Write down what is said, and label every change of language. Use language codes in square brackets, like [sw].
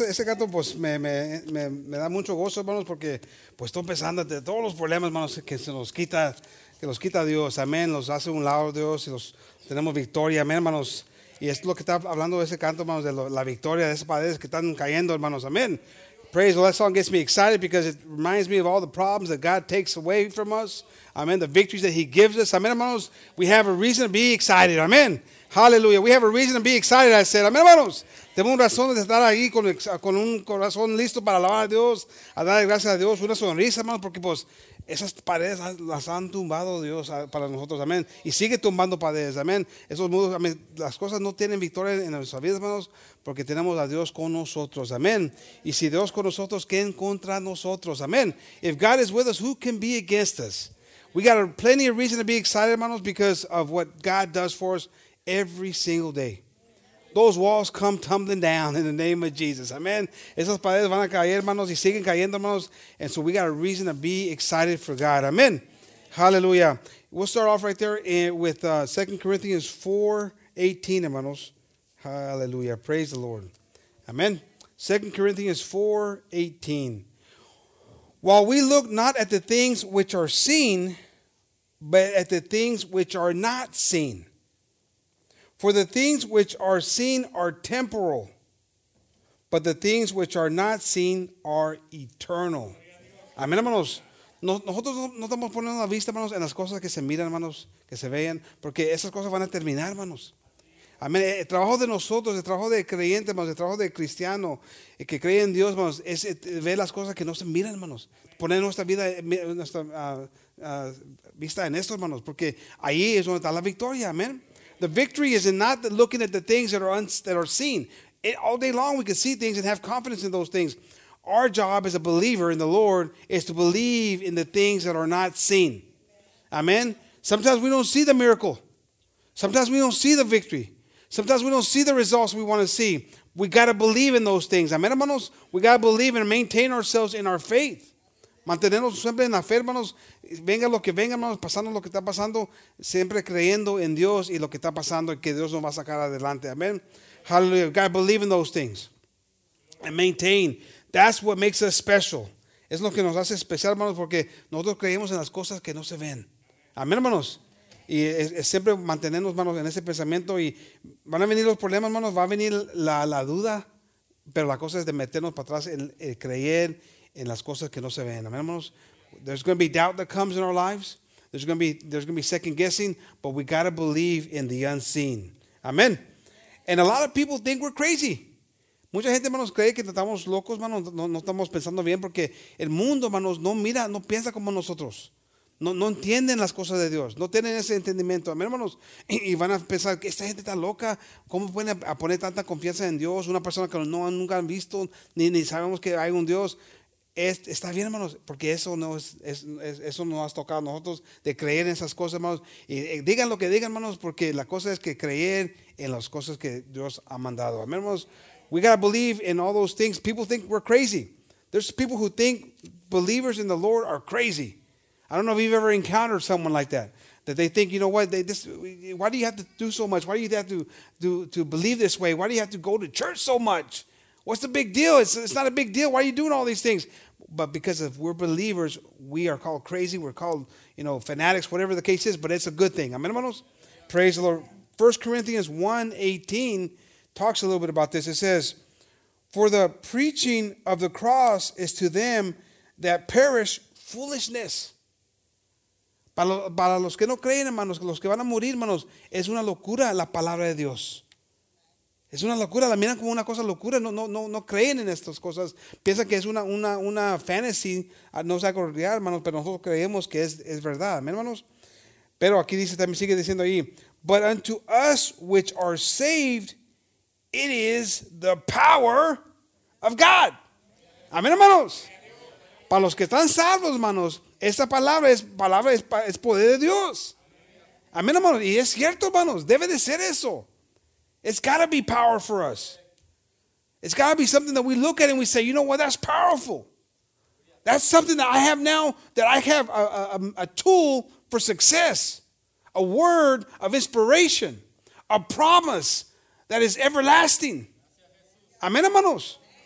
[es] Ese canto, pues, me da mucho gozo, hermanos, porque pues estoy pensando de todos los problemas, hermanos, que se nos quita, que los quita Dios. Amén. Los hace un lado Dios y los tenemos victoria. Amén, hermanos. Y es lo que está hablando ese canto, hermanos, de la victoria de esas paredes que están cayendo, hermanos. [en] Amén. Praise the Lord. That song gets me excited because it reminds me of all the problems that God takes away from us. Amen. The victories that he gives us. Amen, hermanos. We have a reason to be excited. Amen. Hallelujah. We have a reason to be excited, I said. Amen, hermanos. [es] Tenemos razón de estar ahí con un corazón listo para alabar a Dios, a dar gracias a Dios, una sonrisa, hermanos, porque pues esas paredes las han tumbado Dios para nosotros. Amén. Y sigue tumbando paredes. Amén. Esos muros, amén. Las cosas no tienen victoria en nuestras vidas, hermanos, porque tenemos a Dios con nosotros. Amén. Y si Dios con nosotros, ¿quién contra nosotros? Amén. [en] If God is with us, who can be against us? We got plenty of reason to be excited, hermanos, because of what God does for us every single day. Those walls come tumbling down in the name of Jesus. Amen. [es] Esas paredes van a caer, hermanos, y siguen cayendo, hermanos. [en] And so we got a reason to be excited for God. Amen. Hallelujah. We'll start off right there with 2 Corinthians 4:18, hermanos. Hallelujah. Praise the Lord. Amen. 2 Corinthians 4:18. While we look not at the things which are seen, but at the things which are not seen. For the things which are seen are temporal, but the things which are not seen are eternal. [es] Amén, hermanos. Nosotros no estamos poniendo la vista, hermanos, en las cosas que se miran, hermanos, que se vean, porque esas cosas van a terminar, hermanos. Amén. El trabajo de nosotros, el trabajo de creyente, hermanos, el trabajo de cristiano, el que cree en Dios, hermanos, es ver las cosas que no se miran, hermanos. Poner nuestra vida, nuestra vista en esto, hermanos, porque ahí es donde está la victoria. Amén. [en] The victory is in not looking at the things that are seen. All day long we can see things and have confidence in those things. Our job as a believer in the Lord is to believe in the things that are not seen. Amen? Sometimes we don't see the miracle. Sometimes we don't see the victory. Sometimes we don't see the results we want to see. We got to believe in those things. Amen, hermanos? We got to believe and maintain ourselves in our faith. [es] Mantenernos siempre en la fe, hermanos. Venga lo que venga, hermanos, pasando lo que está pasando, siempre creyendo en Dios y lo que está pasando y que Dios nos va a sacar adelante. [en] Amen. Hallelujah. God, believe in those things and maintain. That's what makes us special. [es] Es lo que nos hace especial, hermanos, porque nosotros creemos en las cosas que no se ven. Amen, hermanos. Y es siempre mantenernos, hermanos, en ese pensamiento. Y van a venir los problemas, hermanos, va a venir la duda, pero la cosa es de meternos para atrás en el creer en las cosas que no se ven. Amen, hermanos. [en] There's going to be doubt that comes in our lives. There's going to be second guessing, but we got to believe in the unseen. Amen. And a lot of people think we're crazy. [es] Mucha gente, hermanos, cree que estamos locos, hermanos. No estamos pensando bien porque el mundo, hermanos, no mira, no piensa como nosotros. No entienden las cosas de Dios. No tienen ese entendimiento. Amén, hermanos. Y van a pensar que esta gente está loca. ¿Cómo pueden a poner tanta confianza en Dios? Una persona que no nunca han visto ni sabemos que hay un Dios. Está bien, hermanos, porque eso no eso nos ha tocado a nosotros de creer en esas cosas, hermanos. Y digan lo que digan, hermanos, porque la cosa es que creer en las cosas que Dios ha mandado. Amén, hermanos. [en] We got to believe in all those things. People think we're crazy. There's people who think believers in the Lord are crazy. I don't know if you've ever encountered someone like that. That they think, you know what, why do you have to do so much? Why do you have to believe this way? Why do you have to go to church so much? What's the big deal? It's not a big deal. Why are you doing all these things? But because if we're believers, we are called crazy. We're called, you know, fanatics, whatever the case is. But it's a good thing. Amen, hermanos? Praise the Lord. 1 Corinthians 1:18 talks a little bit about this. It says, "For the preaching of the cross is to them that perish foolishness." [es] Para los que no creen, hermanos, los que van a morir, hermanos, es una locura la palabra de Dios. Es una locura, la miran como una cosa locura, no creen en estas cosas. Piensan que es una fantasy, no se acordar, hermanos, pero nosotros creemos que es verdad, amén, hermanos. Pero aquí dice, también sigue diciendo ahí, [en] "But unto us which are saved, it is the power of God." Amén, hermanos. [es] Para los que están salvos, hermanos, esta palabra es poder de Dios. Amén, hermanos. Y es cierto, hermanos, debe de ser eso. [en] It's got to be power for us. It's got to be something that we look at and we say, you know what, that's powerful. That's something that I have now, that I have a tool for success, a word of inspiration, a promise that is everlasting. Amen, hermanos.